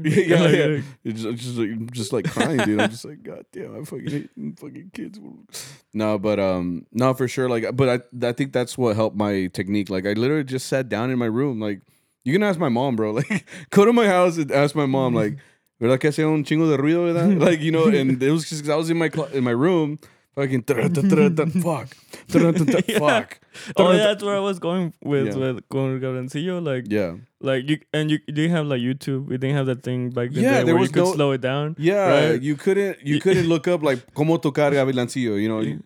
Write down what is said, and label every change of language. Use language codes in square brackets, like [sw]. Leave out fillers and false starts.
[en] Yeah, like, yeah. Just like crying, dude. I'm just like, God damn, I fucking kids. No, but no, for sure. Like, but I think that's what helped my technique. Like, I literally just sat down in my room. Like, you can ask my mom, bro. Like, go to my house and ask my mom. Like, [es] ¿verdad que hace un chingo de ruido, verdad? [en] Like, you know, and it was just because I was in my room. Fucking fuck. Fuck. Oh, yeah, that's where I was going with Con Gabrancillo. Like, yeah. Like, you didn't have like YouTube. We didn't have that thing back then where you could slow it down. Yeah. Right? You couldn't look up like, [es] como tocar Gabrancillo, [en] you know?